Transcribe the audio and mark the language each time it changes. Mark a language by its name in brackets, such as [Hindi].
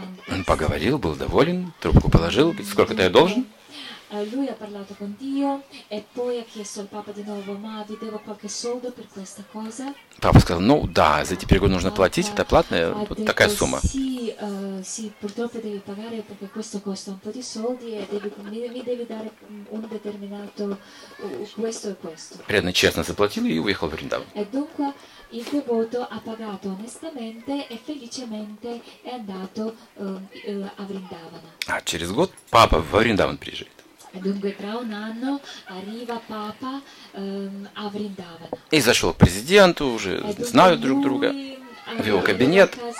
[Russian] Он поговорил, был доволен, трубку положил, говорит, сколько-то я должен. [Italian] Lui ha parlato con Dio e poi ha chiesto al Papa di nuovo, ma vi devo qualche soldo per questa cosa? [Russian] Papa сказал, ну да, за эти переговоры нужно платить, это платная, вот такая сумма. [Italian] Sì, purtroppo devi pagare perché questo costa un po' di soldi e mi devi dare un determinato questo e questo. [Russian] Преданно честно заплатил и уехал в Риндаву. [Italian] E dunque il devoto ha pagato onestamente e felicemente è andato a Vrindavana. [Russian] А через год Папа в Риндаван приезжает. [Italian] Dunque tra un anno arriva Papa a Vrindavana. [Russian] И зашел к президенту, уже знают друг друга, в его кабинет.